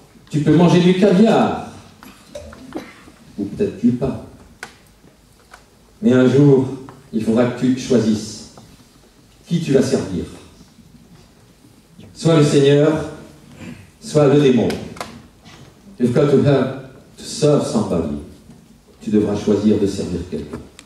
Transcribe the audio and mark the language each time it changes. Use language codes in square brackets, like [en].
[fr] Tu peux manger du caviar, ou peut-être du pain. Mais un jour, il faudra que tu choisisses qui tu vas servir. Soit le Seigneur, soit le démon. [en] You've got to have to serve somebody. [fr] Tu devras choisir de servir quelqu'un.